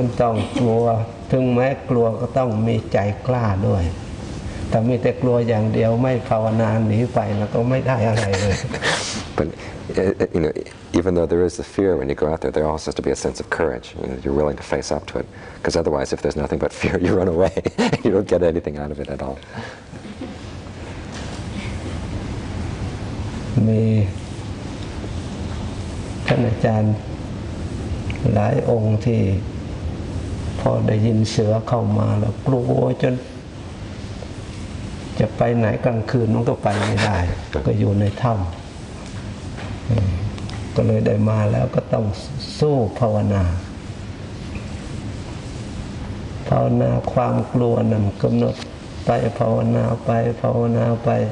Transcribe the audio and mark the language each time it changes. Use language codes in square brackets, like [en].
[th] นต้องกลัวถึงแม้กลัวก็ต้องมีใจกล้าด้วยถ้ามีแต่กลัวอย่างเดียวไม่ภาวนาหนีไปแล้วก็ไม่ได้อะไรเลย [en] But you know, even though there is the fear when you go out there, there also has to be a sense of courage. You know, you're willing to face up to it, because otherwise, if there's nothing but fear, you run away. You don't get anything out of it at all. [th] มีท่านอาจารย์หลายองค์ที่พอได้ยินเสือเข้ามาแล้วกลัวจนจะไปไหนกลางคืนมันก็ไปไม่ได้ก็อยู่ในถ้ำก็เลยได้มาแล้วก็ต้องสู้ภาวนาภาวนาความกลัวนั้นกำหนดไปภาวนาไปภาวนาไป